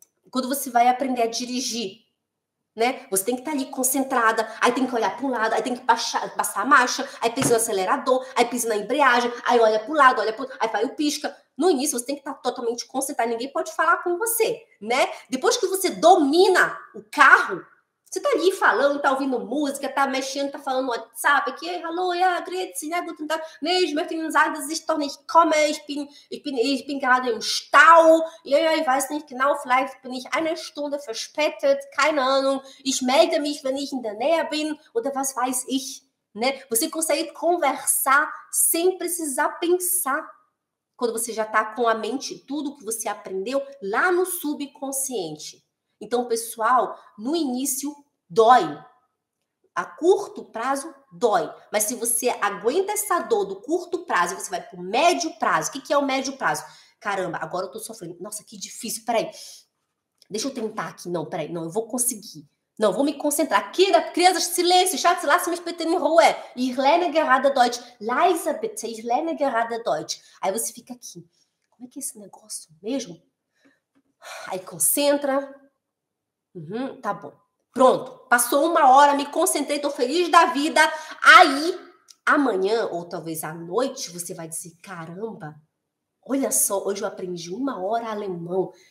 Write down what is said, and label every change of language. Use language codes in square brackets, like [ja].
[pt] quando você vai aprender a dirigir, né? Você tem que estar ali concentrada. Aí tem que olhar para um lado. Aí tem que passar a marcha. Aí pisa no acelerador. Aí pisa na embreagem. Aí olha para o lado. Olha pro... Aí vai o pisca. No início, você tem que estar totalmente concentrada. Ninguém pode falar com você, né? Depois que você domina o carro... Você tá ali falando, tá ouvindo música, tá mexendo, tá falando no WhatsApp, aqui, alô, é a Gretzi, né, [de] guten Tag, [pt] mesmo, eu tenho usado, se torna [de] ich komme, ich bin gerade im Stau, ich weiß nicht genau, vielleicht bin ich eine Stunde verspätet, keine Ahnung, ich melde mich, wenn ich in der Nähe bin, oder was weiß ich, [pt] né? Você consegue conversar sem precisar pensar, quando você já tá com a mente, tudo que você aprendeu lá no subconsciente. Então, pessoal, no início dói. A curto prazo dói. Mas se você aguenta essa dor do curto prazo, você vai pro médio prazo. O que é o médio prazo? Caramba, agora eu tô sofrendo. Nossa, que difícil. Peraí. Deixa eu tentar aqui. Não, peraí. Não, eu vou conseguir. Não, vou me concentrar. Crianças, silêncio. [de] Schatz, lass mich bitte in Ruhe. Ich lerne gerade Deutsch. Leise bitte. Ich lerne gerade Deutsch. [pt] Aí você fica aqui. Como é que é esse negócio mesmo? Aí concentra. Uhum, tá bom. Pronto. Passou uma hora, me concentrei, tô feliz da vida. Aí, amanhã, ou talvez à noite, você vai dizer, caramba, olha só, hoje eu aprendi uma hora alemão.